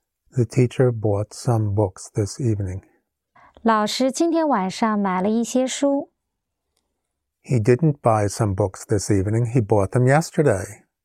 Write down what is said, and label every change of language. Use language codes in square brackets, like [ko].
[en] The teacher bought some books this evening. [zh] 老师今天晚上买了一些书 [en] He didn't buy some books this evening. He bought them yesterday.